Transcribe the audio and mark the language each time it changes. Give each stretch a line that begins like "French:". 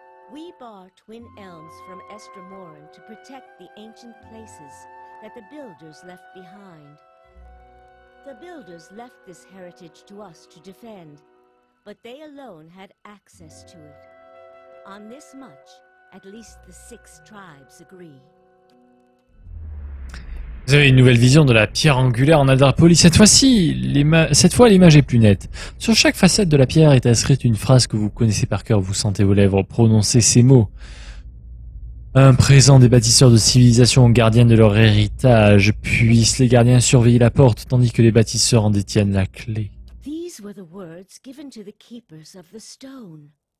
English: We bar twin elms from Estremorin to protect the ancient places that the builders left behind. The builders left this heritage to us to defend, but they alone had access to it. On this much, at least the six tribes agree.
French: Vous avez une nouvelle vision de la pierre angulaire en Adrapoli. Cette fois, l'image est plus nette. Sur chaque facette de la pierre est inscrite une phrase que vous connaissez par cœur. Vous sentez vos lèvres prononcer ces mots. Un présent des bâtisseurs de civilisation aux gardiens de leur héritage. Puissent les gardiens surveiller la porte, tandis que les bâtisseurs en détiennent la clé.
English: These were the words given to the keepers of the stone.